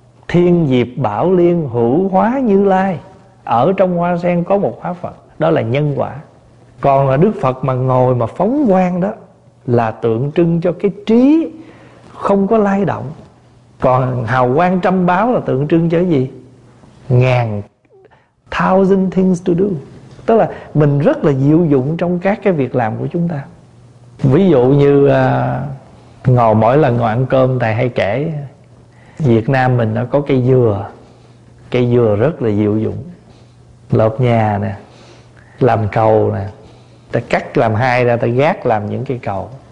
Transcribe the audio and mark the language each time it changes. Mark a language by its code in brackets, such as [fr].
[vi] Thiên diệp bảo liên hữu hóa Như Lai. Ở trong hoa sen có một hóa Phật. Đó là nhân quả. Còn là Đức Phật mà ngồi mà phóng quang đó là tượng trưng cho cái trí không có lay động. Còn hào quang trăm báo là tượng trưng cho gì? Ngàn, [en] thousand things to do. [vi] Tức là mình rất là diệu dụng trong các cái việc làm của chúng ta. Ví dụ như ngồi mỗi lần ngồi ăn cơm, thầy hay kể Việt Nam mình nó có cây dừa. Cây dừa rất là diệu dụng. Lợp nhà nè, làm cầu nè, ta cắt làm hai ra, ta gác làm những cây cầu.